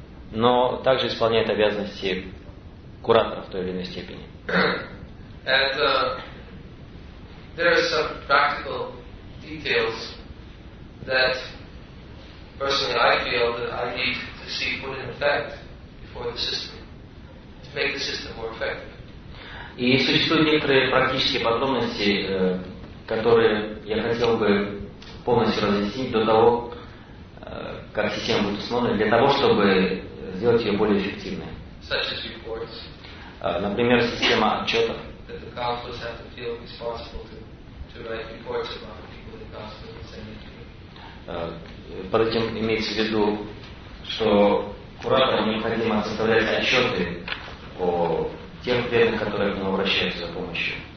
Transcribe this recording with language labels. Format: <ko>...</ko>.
<ru>Но также исполняют обязанности куратора в той или иной степени.</ru> <en>And there are some practical details that personally I feel that I need to see put in effect before the system to make the system more effective.</en> <ru>И существуют некоторые практические подробности, которые я хотел бы полностью разъяснить до того, как система будет установлена, для того, чтобы сделать ее более эффективной.</ru> <en>Such as reports,</en> <ru>например, система отчетов.</ru> <en>That the counselors have to feel responsible to write reports about the people the counselors are sending to.</en> <ru>Под этим имеется в виду, что куратору необходимо составлять отчеты о тех преданных, которые к нему обращаются за помощью.</ru>